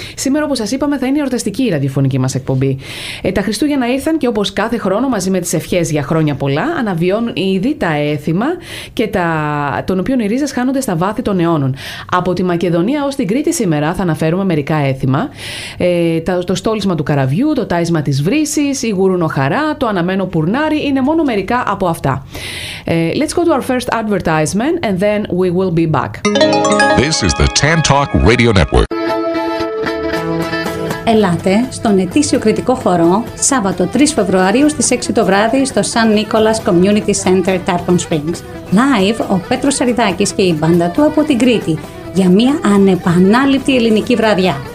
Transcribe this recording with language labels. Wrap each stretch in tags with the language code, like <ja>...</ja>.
<el>Σήμερα, όπως σας είπαμε, θα είναι η εορταστική η ραδιοφωνική μας εκπομπή. Τα Χριστούγεννα ήρθαν και όπως κάθε χρόνο, μαζί με τις ευχές για χρόνια πολλά, αναβιώνουν ήδη τα έθιμα και των οποίων οι ρίζες χάνονται στα βάθη των αιώνων. Από τη Μακεδονία ως την Κρήτη σήμερα θα αναφέρουμε μερικά έθιμα. Το στόλισμα του καραβιού, το τάισμα της βρύσης, η γουρουνοχαρά, το αναμένο πουρνάρι, είναι μόνο μερικά από αυτά.</el> <en>Let's go to our first advertisement and then we will be back. This is the Tantalk Radio Network.</en> <el>Ελάτε στον ετήσιο κριτικό χορό Σάββατο 3 Φεβρουαρίου στις 6 το βράδυ στο San Nicolas Community Center Tarpon Springs. Live ο Πέτρος Σαριδάκης και η μπάντα του από την Κρήτη για μια ανεπανάληπτη ελληνική βραδιά.</el>